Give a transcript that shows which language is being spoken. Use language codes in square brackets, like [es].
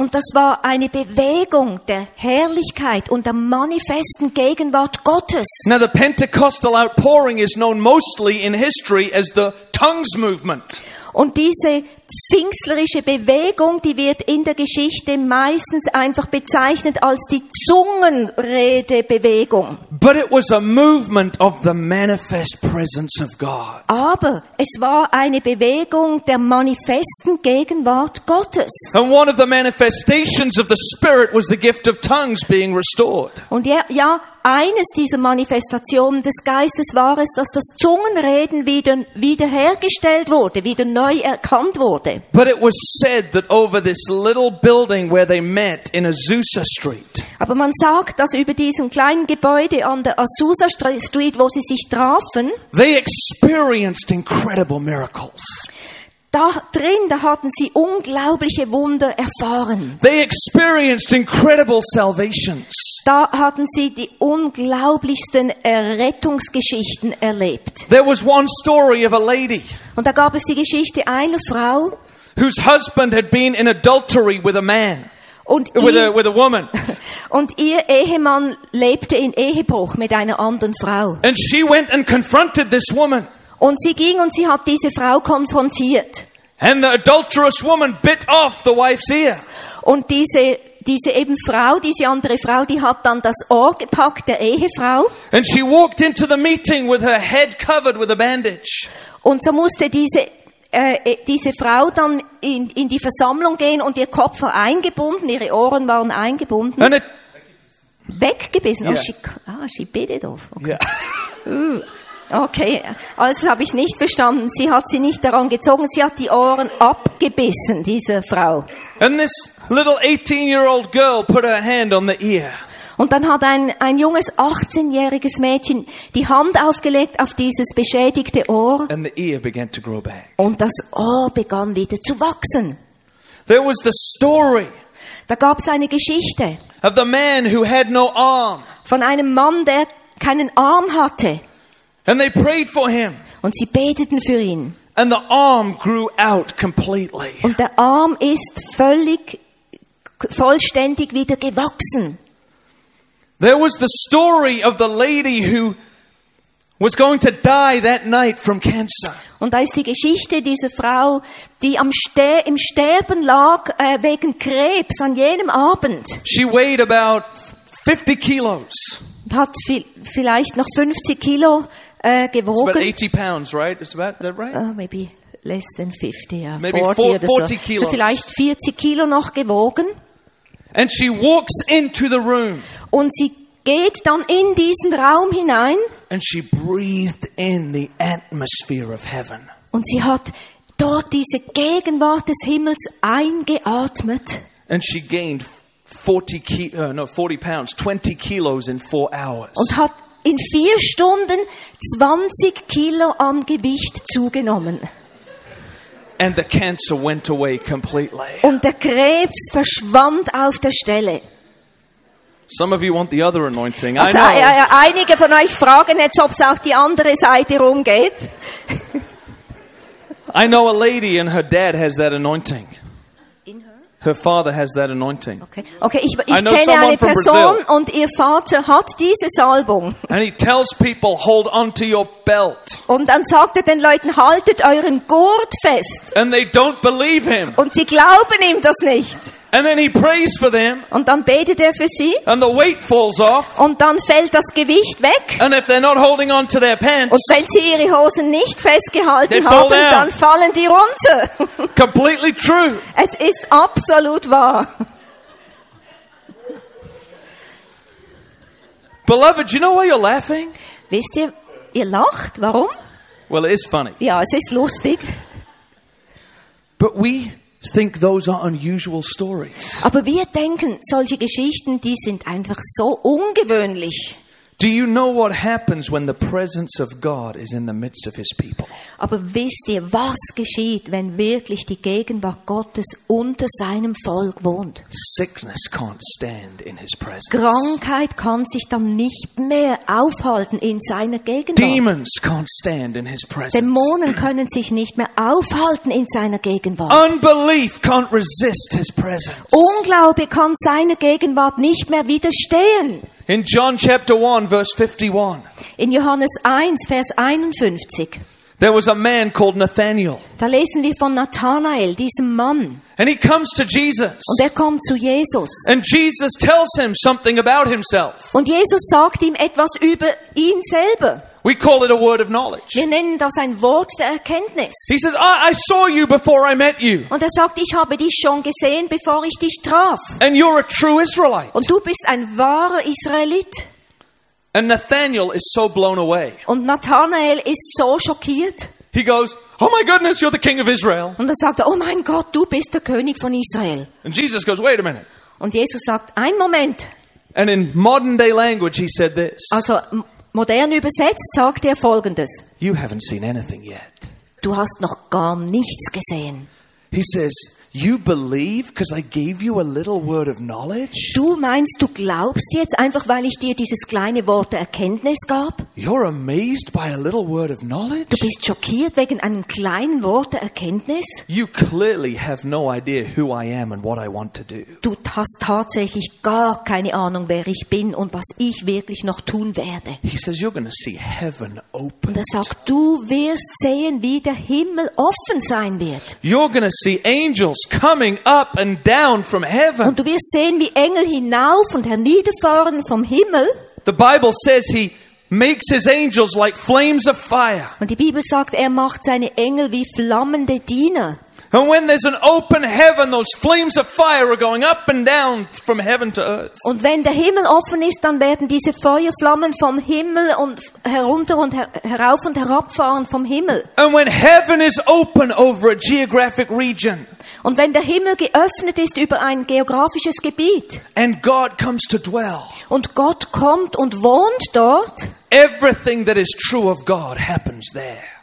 [de] Und das war eine Bewegung der Herrlichkeit und der manifesten Gegenwart Gottes. [en] Now the Pentecostal outpouring is known mostly in history as the tongues movement. [de] Und diese pfingstlerische Bewegung, die wird in der Geschichte meistens einfach bezeichnet als die Zungenredebewegung. [en] But it was a movement of the manifest presence of God. [de] Aber es war eine Bewegung der manifesten Gegenwart Gottes. [en] And one of the manifestations of the Spirit was the gift of tongues being restored. [de] Und ja, eines dieser Manifestationen des Geistes war es, dass das Zungenreden wiederhergestellt wurde, wieder neu erkannt wurde. [en] But it was said that over this little building where they met in Azusa Street. [de] Aber man sagt, dass über diesem kleinen Gebäude an der Azusa Street, wo sie sich trafen, [en] they experienced incredible miracles. [de] Da drin, da hatten sie unglaubliche Wunder erfahren. [en] They experienced incredible salvations. [de] Da hatten sie die unglaublichsten Errettungsgeschichten erlebt. [en] There was one story of a lady. [de] Und da gab es die Geschichte einer Frau, [en] whose husband had been in adultery with a man. With a woman. [de] Und ihr Ehemann lebte in Ehebruch mit einer anderen Frau. [en] And she went and confronted this woman. [de] Und sie ging und sie hat diese Frau konfrontiert. [en] And the adulterous woman bit off the wife's ear. [de] Und diese andere Frau, die hat dann das Ohr gepackt der Ehefrau. [en] And she walked into the meeting with her head covered with a bandage. [de] Und so musste diese Frau dann in die Versammlung gehen und ihr Kopf war eingebunden, ihre Ohren waren eingebunden. [en] And it [de] weggebissen. [en] Yeah. Oh, she bit it off. Okay. Yeah. [de] Okay, also habe ich nicht verstanden. Sie hat sie nicht daran gezogen, sie hat die Ohren abgebissen, diese Frau. [en] And this little 18-year-old girl put her hand on the ear. [de] Und dann hat ein junges 18-jähriges Mädchen die Hand aufgelegt auf dieses beschädigte Ohr. [en] And the ear began to grow back. [de] Und das Ohr begann wieder zu wachsen. [en] There was the story. [de] Da gab es eine Geschichte. [en] Of the man who had no arm. [de] Von einem Mann, der keinen Arm hatte. [en] And they prayed for him. [de] Und sie beteten für ihn. [en] And the arm grew out completely. [de] Und der Arm ist vollständig wieder gewachsen. [en] There was the story of the lady who was going to die that night from cancer. [de] Und da ist die Geschichte dieser Frau, die im Sterben lag wegen Krebs an jenem Abend. [en] She weighed about 50 kilos. [de] Hat vielleicht noch 50 Kilo gewogen. [en] It's about 80 pounds, right? Is that right? Maybe less than 50. Yeah. Maybe 40 so. Kilos. [de] So vielleicht 40 Kilo noch gewogen. [en] And she walks into the room. [de] Und sie geht dann in diesen Raum hinein. [en] And she breathed in the atmosphere of heaven. [de] Und sie hat dort diese Gegenwart des Himmels eingeatmet. [en] And she gained 20 kilos in 4 hours. [de] Und hat in 4 Stunden 20 Kilo an Gewicht zugenommen. [en] And the cancer went away completely. [de] Und der Krebs verschwand auf der Stelle. [en] Some of you want the other anointing. [de] Also, [en] I know. [de] Einige von euch fragen jetzt, ob es auf die andere Seite rumgeht. [en] I know a lady and her dad has that anointing. Her father has that anointing. Okay. [de] Ich kenne eine Person und ihr Vater hat diese Salbung. [en] And he tells people, hold on to your belt. [de] Und dann sagt er den Leuten, haltet euren Gurt fest. [en] And they don't believe him. [de] Und sie glauben ihm das nicht. [en] And then he prays for them. [de] Und dann betet er für sie. [en] And the weight falls off. [de] Und dann fällt das Gewicht weg. [en] And if they're not holding on to their pants. [de] Und wenn sie ihre Hosen nicht festgehalten haben, dann fallen die runter. [en] Completely true. [de] Es ist absolut wahr. [en] Beloved, you know why you're laughing? [de] Wisst ihr, ihr lacht? Warum? [en] Well, it is funny. [de] Ja, es ist lustig. [en] But we think those are unusual stories. [de] Aber wir denken, solche Geschichten, die sind einfach so ungewöhnlich. [en] Do you know what happens when the presence of God is in the midst of his people? [de] Aber wisst ihr, was geschieht, wenn wirklich die Gegenwart Gottes unter seinem Volk wohnt? [en] Sickness can't stand in his presence. [de] Krankheit kann sich dann nicht mehr aufhalten in seiner Gegenwart. [en] Demons can't stand in his presence. [de] Dämonen können sich nicht mehr aufhalten in seiner Gegenwart. [en] Unbelief can't resist his presence. [de] Unglaube kann seiner Gegenwart nicht mehr widerstehen. [en] In John chapter 1 verse 51. [de] In Johannes 1 Vers 51. [en] There was a man called Nathanael. [de] Da lesen wir von Nathanael, diesem Mann. [en] And he comes to Jesus. [de] Und er kommt zu Jesus. [en] And Jesus tells him something about himself. [de] Und Jesus sagt ihm etwas über ihn selber. [en] We call it a word of knowledge. [de] Wir nennen das ein Wort der Erkenntnis. [en] He says, I saw you before I met you. [de] Und er sagt, ich habe dich schon gesehen, bevor ich dich traf. [en] And you're a true Israelite. [de] Und du bist ein wahrer Israelit. [en] And Nathanael is so blown away. [de] Und Nathanael ist so schockiert. [en] He goes, oh my goodness, you're the king of Israel. [de] Und er sagt, oh mein Gott, du bist der König von Israel. [en] And Jesus goes, wait a minute. [de] Und Jesus sagt, ein Moment. [en] And in modern day language, he said this. [de] Also modern übersetzt sagt er Folgendes. [en] You haven't seen anything yet. [de] Du hast noch gar nichts gesehen. [en] He says, you believe because I gave you a little word of knowledge? [de] Du meinst, du glaubst jetzt einfach, weil ich dir dieses kleine Wort der Erkenntnis gab? [en] You're amazed by a little word of knowledge? [de] Du bist schockiert wegen einem kleinen Wort der Erkenntnis? [en] You clearly have no idea who I am and what I want to do. [de] Du hast tatsächlich gar keine Ahnung, wer ich bin und was ich wirklich noch tun werde. [en] He says you're going to see heaven open. [de] Und er sagt, du wirst sehen, wie der Himmel offen sein wird. [en] You're going to see angels coming up and down from heaven. [de] Und du wirst sehen, wie Engel hinauf und herniederfahren vom Himmel. [en] The Bible says he makes his angels like flames of fire. [de] Und die Bibel sagt, er macht seine Engel wie flammende Diener. [en] And when there's an open heaven, those flames of fire are going up and down from heaven to earth. [de] Und wenn der Himmel offen ist, dann werden diese Feuerflammen vom Himmel und herunter und herauf und herabfahren vom Himmel. [en] And when heaven is open over a geographic region. [de] Und wenn der Himmel geöffnet ist über ein geografisches Gebiet. [en] And God comes to dwell. [de] Und Gott kommt und wohnt dort. [en] Everything that is true of God happens there.